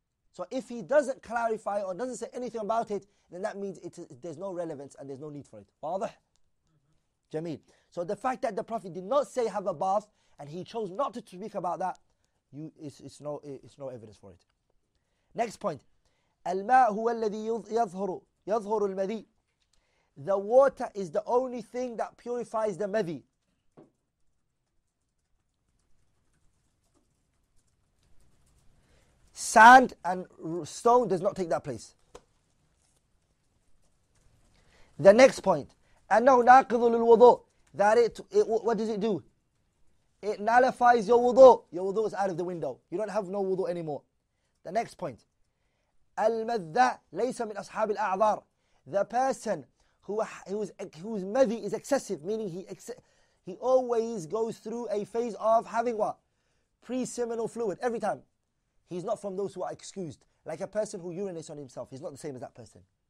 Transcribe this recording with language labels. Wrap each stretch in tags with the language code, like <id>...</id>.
<en>So if he doesn't clarify or doesn't say anything about it, then that means there's no relevance and there's no need for it. Father? Jameel. So the fact that the Prophet did not say have a bath and he chose not to speak about that, it's no evidence for it. Next point.</en> <ar>الماء هو الذي يظهر المذي.</ar> <en>The water is the only thing that purifies the madhi. Sand and stone does not take that place. The next point.</en> <ar>أنه ناقض للوضوء.</ar> <en>That what does it do? It nullifies your wudu. Your wudu is out of the window. You don't have no wudu anymore. The next point.</en> <ar>المذى ليس من أصحاب الأعذار.</ar> <en>The person whose madhi is excessive, meaning he always goes through a phase of having what? Pre-seminal fluid. Every time. He's not from those who are excused. Like a person who urinates on himself. He's not the same as that person.</en>